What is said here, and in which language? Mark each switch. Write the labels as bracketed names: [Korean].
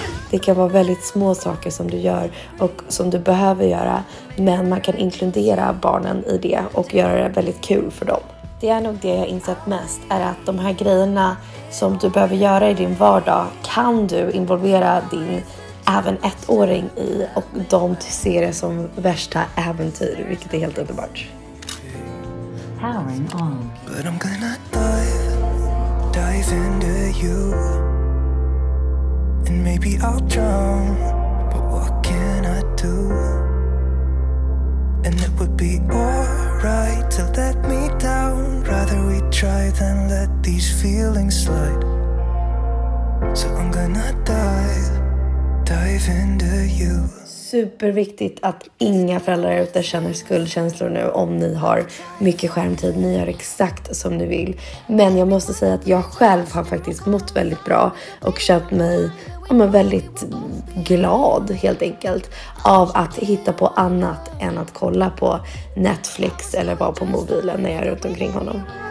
[Swedish] Det kan vara väldigt små saker som du gör och som du behöver göra, men man kan inkludera barnen i det och göra det väldigt kul för dem. Det är nog det jag insett mest, är att de här grejerna som du behöver göra i din vardag kan du involvera din även ettåring i, och de ser det som värsta äventyr, vilket är helt underbart. [English] Powering on. But I'm gonna dive into you. And maybe I'll drown, but what can I do? And it would be alright to let me down. Rather we try than let these feelings slide. So I'm gonna dive into you. [Swedish] Superviktigt att inga föräldrar ute känner skuldkänslor nu om ni har mycket skärmtid. Ni gör exakt som ni vill. Men jag måste säga att jag själv har faktiskt mått väldigt bra och känt mig väldigt glad helt enkelt av att hitta på annat än att kolla på Netflix eller vara på mobilen när jag är runt omkring honom.